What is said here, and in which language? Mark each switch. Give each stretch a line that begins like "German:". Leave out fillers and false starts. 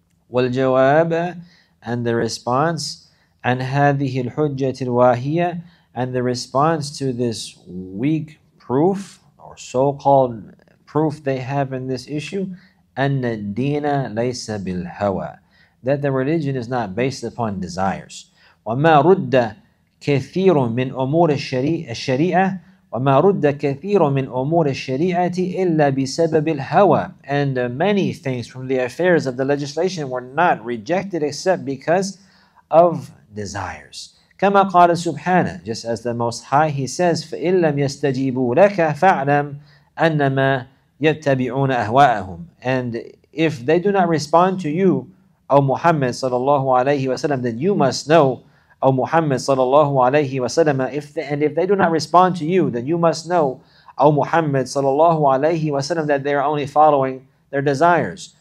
Arabic: والجواب,
English: and the response,
Arabic: عن هذه الحجة الواهية,
English: and the response to this weak proof or so-called proof they have in this issue,
Arabic: أن الدين ليس بالهوى,
English: that the religion is not based upon desires.
Arabic: وما رد كثير من أمور الشريعة وما رد كثير من أمور الشريعة إلا بسبب الهوى.
English: And many things from the affairs of the legislation were not rejected except because of desires.
Arabic: كما قال سبحانه,
English: just as the Most High, He says,
Arabic: فإن لم يستجيبوا لك فاعلم أنما يتبعون أهواءهم.
English: And if they do not respond to you, O Muhammad sallallahu alayhi wa sallam, then you must know, O Muhammad sallallahu alayhi wa sallam, if they do not respond to you, then you must know, O Muhammad sallallahu alayhi wa sallam, that they are only following their desires.